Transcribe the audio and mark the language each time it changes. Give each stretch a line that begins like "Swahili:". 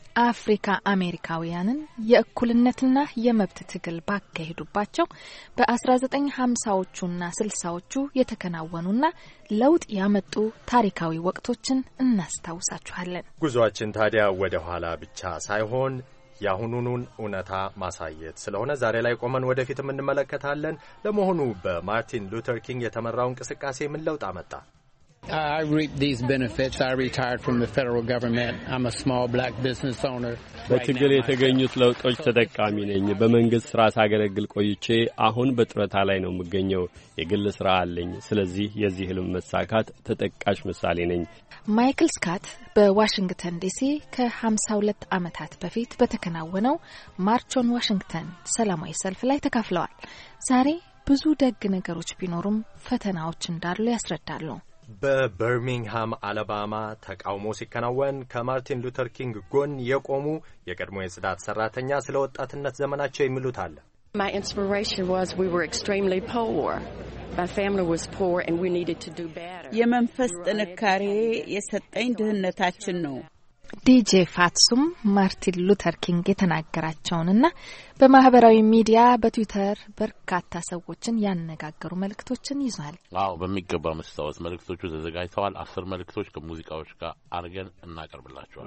Amharic: አፍሪካ አሜሪካውያንን የእኩልነትና የመብት ትግል ባካሄዱባቸው በ1950ዎቹና 60ዎቹ የተከናወኑና ለውጥ ያመጡ ታሪካዊ ወቅቶችን እናስታውሳችኋለን። ጉዟችን ታዲያ ወደ ኋላ ብቻ ሳይሆን የአሁኑኑን እውነታ ማሳየት ስለሆነ ዛሬ ላይ ቆመን ወደፊት እንመለከታለን። ለመሆኑ በማርቲን ሉተር ኪንግ የተመራው እንቅስቃሴ ምን ለውጥ አመጣ?
English: I reap these benefits. I retired from the federal government. I'm a small black business owner.
Amharic: በትግል የተገኙት ለውጦች ተጠቃሚ ነኝ። በመንግስት ስራ ሳገለግል ቆይቼ አሁን በጥረታ ላይ ነው የምገኘው። የግል ስራ አለኝ። ስለዚህ የዚህ ህልም መሳካት ተጠቃሽ ምሳሌ ነኝ። ማይክል ስካት በዋሽንግተን ዲሲ ከ52 ዓመታት በፊት በተከናወነው ማርች ኦን ዋሽንግተን ሰላማዊ ሰልፍ ላይ ተካፍለዋል። ዛሬ ብዙ ደግ ነገሮች ቢኖሩም ፈተናዎች እንዳሉ ያስረዳሉ። በበርሚንግሃም አላባማ ተቃውሞ ሲከናወን ከማርቲን ሉተር ኪንግ ጎን የቆሙ የቀድሞ የጽዳት ሰራተኛ ስለ ወጣትነት ዘመናቸው የሚሉት አለ።
English: My inspiration was we were extremely poor. My family was poor and we needed to do better.
Amharic: የመንፈስ ጥንካሬ የሰጠኝ ድህነታችን ነው። ዲጄ ፋትሱም ማርቲን ሉተር ኪንግ የተናገራቸውንና በማህበራዊ ሚዲያ በትዊተር በርካታ ሰዎችን ያነጋገሩ መልእክቶችን ይዟል። አዎ፣ በሚገባ መስታወት መልእክቶቹ ተዘጋጅተዋል። 10 መልእክቶች ከሙዚቃዎች ጋር አድርገን እናቀርብላቸዋል።